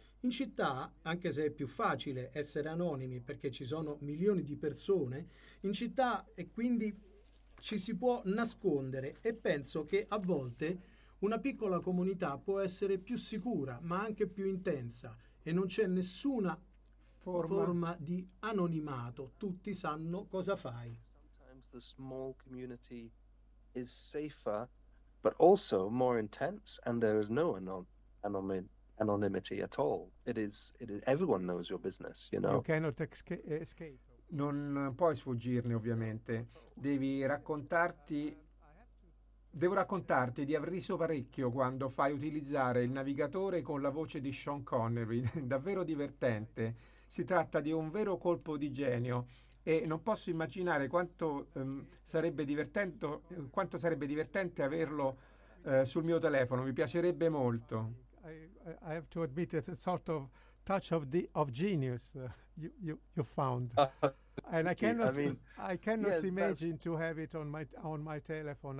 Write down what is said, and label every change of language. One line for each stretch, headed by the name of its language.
Italian: In città, anche se è più facile essere anonimi perché ci sono milioni di persone, in città e quindi ci si può nascondere, e penso che a volte una piccola comunità può essere più sicura ma anche più intensa, e non c'è nessuna forma di anonimato, tutti sanno cosa fai.
English: Sometimes the small community is safer but also more intense, and there is no anonymity at all. It is everyone knows your business, you know. You cannot escape.
Italian: Non puoi sfuggirne, ovviamente. Devo raccontarti di aver riso parecchio quando fai utilizzare il navigatore con la voce di Sean Connery. Davvero divertente. Si tratta di un vero colpo di genio e non posso immaginare quanto sarebbe divertente averlo sul mio telefono. Mi piacerebbe molto.
English: I have to admit it's a sort of touch of genius you found. And I cannot yes, imagine that's... to have it on my telephone.